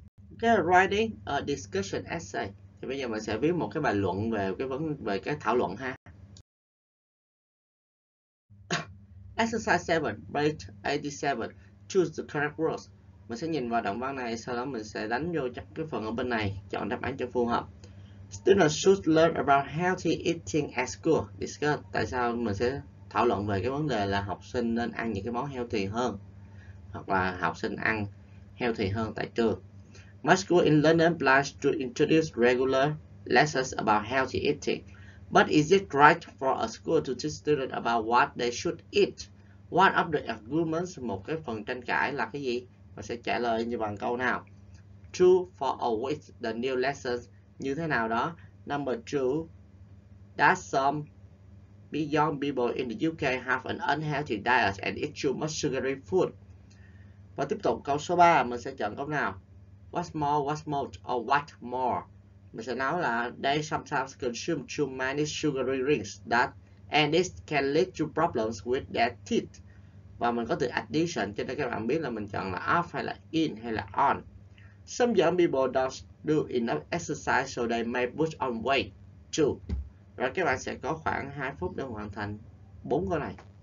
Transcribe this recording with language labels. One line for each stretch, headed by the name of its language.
English: Ok, writing a discussion essay.
Vietnamese: Thì bây giờ mình sẽ viết một cái bài luận về cái vấn về cái thảo luận ha.
English: Exercise 7, page 87. Choose the correct words.
Vietnamese: Mình sẽ nhìn vào động văn này, sau đó mình sẽ đánh vô chắc cái phần ở bên này, chọn đáp án cho phù hợp.
English: Students should learn about healthy eating at school. Discuss.
Vietnamese: Tại sao mình sẽ thảo luận về cái vấn đề là học sinh nên ăn những cái món healthy hơn, hoặc là học sinh ăn healthy hơn tại trường.
English: My school in London plans to introduce regular lessons about healthy eating. But is it right for a school to teach students about what they should eat? One of the arguments,
Vietnamese: một cái phần tranh cãi là cái gì? Mình sẽ trả lời như bằng câu nào?
English: True for always the new lessons.
Vietnamese: Như thế nào đó?
English: Number two, that some young people in the UK have an unhealthy diet and eat too much sugary food.
Vietnamese: Và tiếp tục câu số 3, mình sẽ chọn câu nào?
English: What more?
Vietnamese: Mình sẽ nói là
English: they sometimes consume too many sugary drinks that and this can lead to problems with their teeth.
Vietnamese: Và mình có từ addition, cho nên các bạn biết là mình chọn là off hay là in hay là on.
English: Some young people don't do enough exercise so they may put on weight too.
Vietnamese: Rồi các bạn sẽ có khoảng 2 phút để hoàn thành 4 câu này.